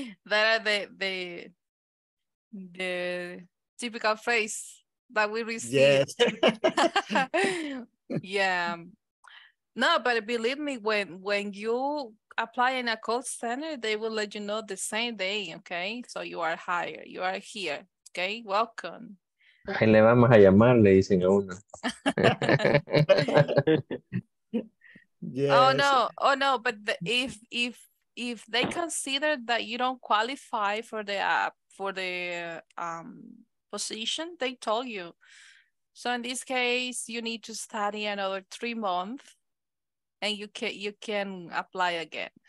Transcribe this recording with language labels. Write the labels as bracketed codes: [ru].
[en] That are the typical phrase that we receive. Yes. Yeah. No, but believe me, when you apply in a call center, they will let you know the same day. Okay. So you are hired. You are here. Okay. Welcome. [es] Ahí le vamos a llamar, le dicen a uno. [en] Yes. Oh no, but if they consider that you don't qualify for the position, they told you. So in this case, you need to study another 3 months and you can apply again.